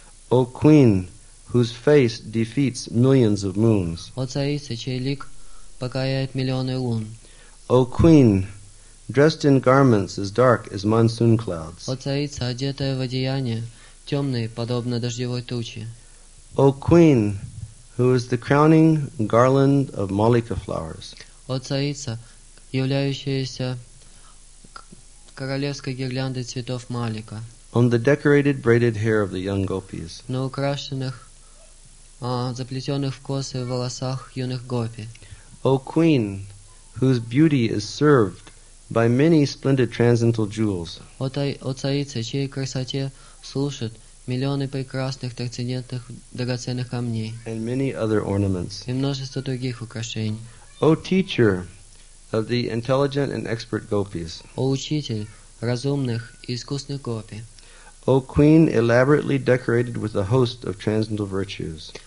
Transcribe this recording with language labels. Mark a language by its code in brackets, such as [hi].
[en] O queen whose face defeats millions of moons. [ru] О царица, чей лик покаяет миллионы лун. [en] O queen, dressed in garments as dark as monsoon clouds. [ru] О царица, одетая в одеяние, темные, подобно дождевой тучи. [en] O queen, who is the crowning garland of Malika flowers. [ru] О царица, являющаяся королевской гирляндой цветов Малика. [en] On the decorated braided hair of the young gopis. [ru] На украшенных заплетенных в косы в волосах юных гопи. [en] O queen, whose beauty is served by many splendid transcendental jewels. [ru] О царице, чьей красоте служат миллионы прекрасных трансцендентных драгоценных камней. [en] And many other ornaments. [ru] И множество других украшений. [en] O teacher of the intelligent and expert gopis. [ru] О учитель разумных и искусных гопи. [en] O queen, elaborately decorated with a host of transcendental virtues.